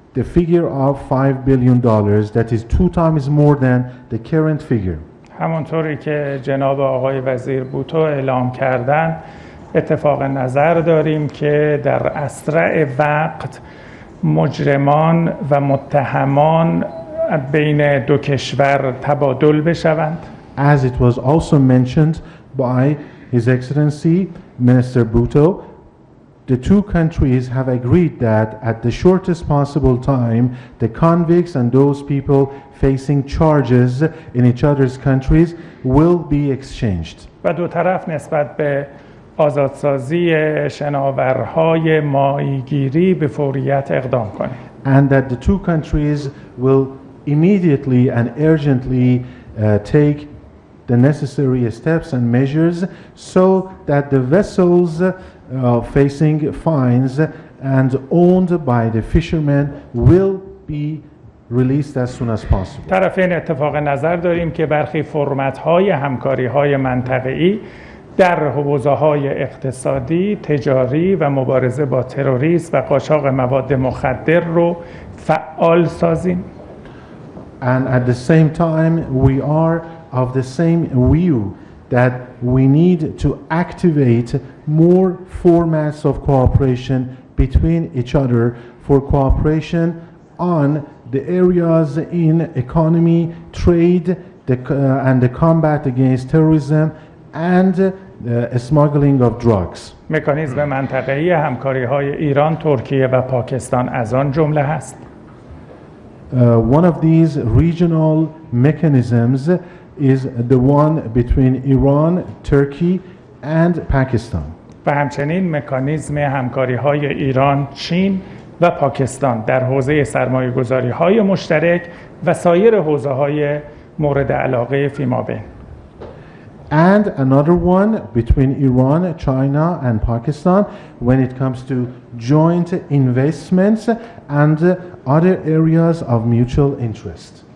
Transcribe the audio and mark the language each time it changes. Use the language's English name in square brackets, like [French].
[English] the figure of $5 billion, that is 2 times more than the current figure. [Persian] همانطوری که جناب آقای وزیر بوتو اعلام کردن، اتفاق نظر داریم که در اسرع وقت مجرمان و متهمان بین دو کشور تبادل بشوند. [English] As it was also mentioned by His Excellency Minister Bhutto, the two countries have agreed that at the shortest possible time, the convicts and those people facing charges in each other's countries will be exchanged. [Persian] و دو طرف نسبت به آزادسازی شناورهای ماهیگیری به فوریت اقدام کنند. [English] And that the two countries will immediately and urgently take the necessary steps and measures so that the vessels facing fines and owned by the fishermen will be released as soon as possible. [Persian] طرفین اتفاق نظر داریم که برخی فرمت‌های همکاری‌های منطقه‌ای در حوزه‌های اقتصادی، تجاری و مبارزه با تروریسم و قاچاق مواد مخدر رو فعال سازیم. [English] And at the same time we are of the same view that we need to activate more formats of cooperation between each other for cooperation on the areas in economy, trade, and the combat against terrorism and smuggling of drugs. [Persian] مکانیزم منطقه‌ای همکاری‌های ایران، ترکیه و پاکستان از آن جمله است. [English] One of these regional mechanisms is the one between Iran, Turkey and Pakistan. [Persian] و همچنین مکانیزم همکاری‌های ایران، چین و پاکستان در حوزه سرمایه‌گذاری‌های مشترک و سایر حوزه‌های مورد علاقه فیمابین. [English] And another one between Iran, China and Pakistan when it comes to joint investments and other areas of mutual interest.